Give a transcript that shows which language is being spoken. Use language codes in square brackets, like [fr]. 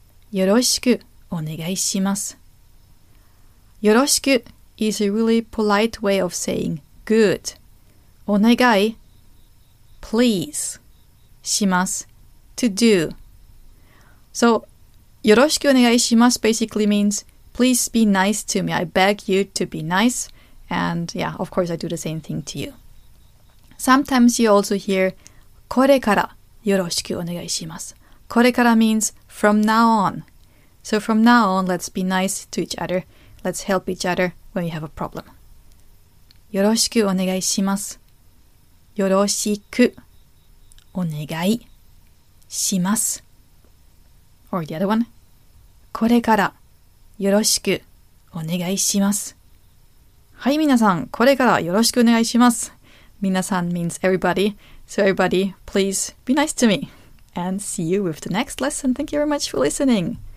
[ja] よろしくお願いします。 [en] よろしく is a really polite way of saying good. お願い Please, します, to do. So, よろしくお願いします basically means, please be nice to me. I beg you to be nice. And yeah, of course, I do the same thing to you. Sometimes you also hear, [ja] これからよろしくお願いします. [en] これから means from now on. So from now on, let's be nice to each other. Let's help each other when we have a problem. [ja] よろしくお願いします.よろしくお願いします。 [en] Or the other one. [ja] これからよろしくお願いします。はい、みなさん、これからよろしくお願いします。 [en] みなさん means everybody. So everybody, please be nice to me. And see you with the next lesson. Thank you very much for listening.